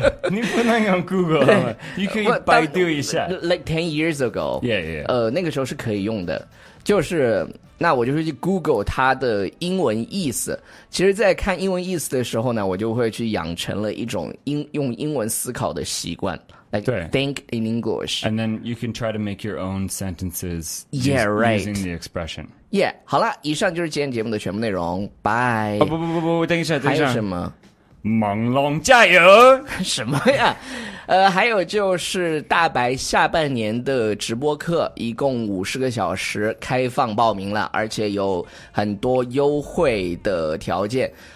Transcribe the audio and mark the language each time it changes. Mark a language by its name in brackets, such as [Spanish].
[Chinese] 你不能用 Google 你可以百度一下 [English] Like 10 years ago yeah, yeah. [Chinese] 那个时候是可以用的，就是那我就会去 Google 它的英文意思，其实在看英文意思的时候呢，我就会去养成了一种用英文思考的习惯 like 对 [English] think in English and then you can try to make your own sentences yeah, right. using the expression [Chinese] Yeah, 好了，以上就是今天节目的全部内容。 [English] Bye。 [Chinese] 哦、不，等一下，等一下。还有什么？猛龙加油！什么呀？还有就是大白下半年的直播课，一共50个小时，开放报名了，而且有很多优惠的条件。